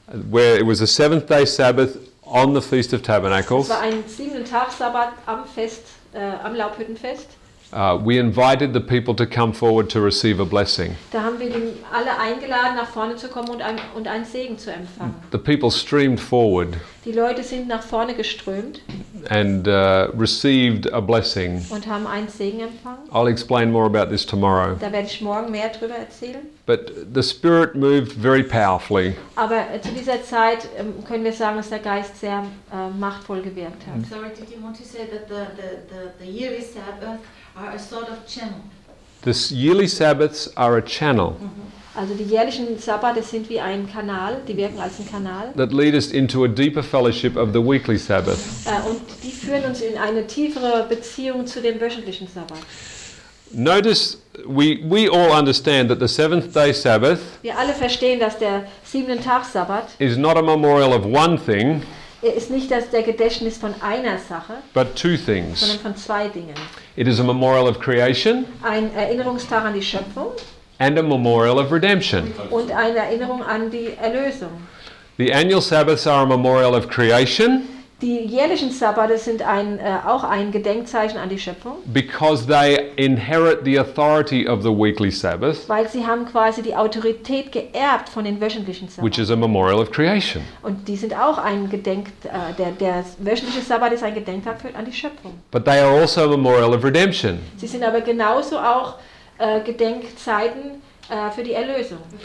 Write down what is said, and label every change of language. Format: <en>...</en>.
<en>Where it was a seventh day Sabbath on the Feast of Tabernacles.</en> <de>Es war ein siebten Tag Sabbat am Fest, am Laubhüttenfest.</de> <en>We invited the people to come forward to receive a blessing.</en> <de>Da haben wir alle eingeladen, nach vorne zu kommen und einen Segen zu empfangen.</de> <en>The people streamed forward.</en> <de>Die Leute sind nach vorne geströmt.</de> <en>And received a blessing.</en> <de>Und haben einen Segen empfangen.</de> <en>I'll explain more about this tomorrow.</en> <de>Da werde ich morgen mehr drüber erzählen.</de> <en>But the Spirit moved very powerfully.</en> <de>Aber zu dieser Zeit können wir sagen, dass der Geist sehr machtvoll gewirkt hat.</de> <en>Sorry, did you want to say that the yearly Sabbath are a sort of channel? The yearly Sabbaths are a channel. Mm-hmm.</en> <de>Also die jährlichen Sabbate sind wie ein Kanal, die wirken als ein Kanal.</de> <en>That lead us into a deeper fellowship of the weekly Sabbath.</en> <de>Und die führen uns in eine tiefere Beziehung zu dem wöchentlichen Sabbat.</de> <en>Notice we all understand that the seventh day Sabbath.</en> <de>Wir alle verstehen, dass der siebte Tag Sabbat</de> <en>is not a memorial of one thing.</en> <de>Es ist nicht das der Gedächtnis von einer Sache,</de> <en>but two things.</en> <de>Sondern von zwei Dingen.</de> <en>It is a memorial of creation.</en> <de>Ein Erinnerungstag an die Schöpfung.</de> <en>And a memorial of redemption.</en> <de>Und eine Erinnerung an die Erlösung.</de> <en>The annual Sabbaths are a memorial of creation.</en> <de>Die jährlichen Sabbate sind auch ein Gedenkzeichen an die Schöpfung.</de> <en>Because they inherit the authority of the weekly Sabbath.</en> <de>Weil sie haben quasi die Autorität geerbt von den wöchentlichen Sabbaten.</de> <en>Which is a memorial of creation.</en> <de>Und die sind auch ein der wöchentliche Sabbat ist ein Gedenktag an die Schöpfung.</de> <en>But they are also a memorial of redemption.</en> <de>Sie sind aber genauso auch Gedenkzeiten für die Erlösung.</de>